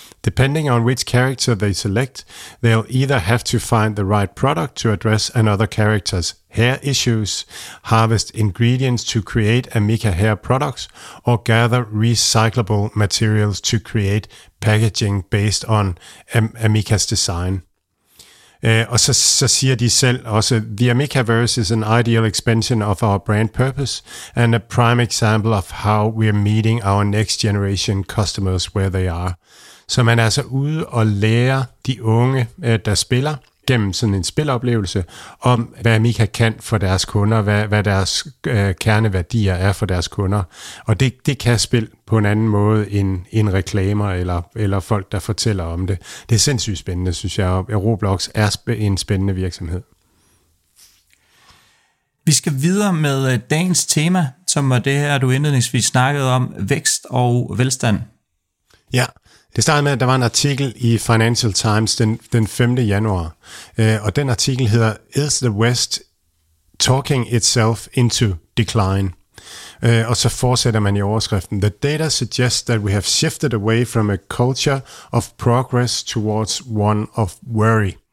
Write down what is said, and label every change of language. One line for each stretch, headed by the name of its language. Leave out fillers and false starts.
English: Depending on which character they select, they'll either have to find the right product to address another character's hair issues, harvest ingredients to create Amica hair products, or gather recyclable materials to create packaging based on Amica's design.
Danish: Og så siger de selv også,
English: The Amicaverse is an ideal expansion of our brand purpose and a prime example of how we're meeting our next generation customers where they are.
Danish: Så man er altså ude og lære de unge, der spiller, gennem sådan en spiloplevelse, om hvad Amica kan for deres kunder, hvad deres kerneværdier er for deres kunder. Og det kan spille på en anden måde end reklamer eller folk, der fortæller om det. Det er sindssygt spændende, synes jeg, og Roblox er en spændende virksomhed. Vi skal videre med dagens tema, som var det her, du indledningsvis snakkede om, vækst og velstand. Ja. Det startede med, at der var en artikel i Financial Times den 5. januar, og den artikel hedder
English: Is the West Talking Itself into Decline?
Danish: Og så fortsætter man i overskriften.
English: The data suggests that we have shifted away from a culture of progress towards one of worry.